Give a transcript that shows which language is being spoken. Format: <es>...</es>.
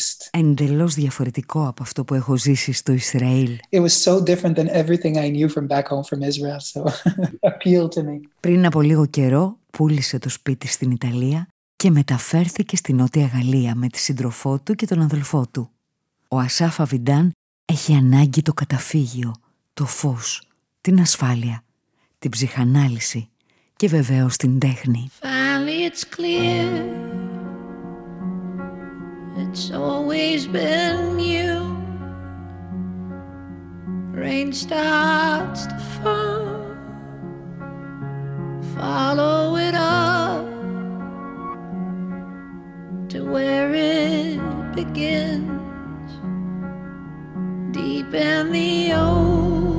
<el>Εντελώς διαφορετικό από αυτό που έχω ζήσει στο Ισραήλ.</el> <en>It was so different than everything I knew from back home from Israel, so appeal to me.</en> <el>Πριν από λίγο καιρό, πούλησε το σπίτι στην Ιταλία και μεταφέρθηκε στη Νότια Γαλλία με τη σύντροφό του και τον αδελφό του. Ο Ασάφα Βιντάν έχει ανάγκη το καταφύγιο, το φως, την ασφάλεια, την ψυχανάλυση και βεβαίως την τέχνη.</el> <en>It's clear, it's always been you. Rain starts to fall, follow it up to where it begins, deep in the ocean.</en>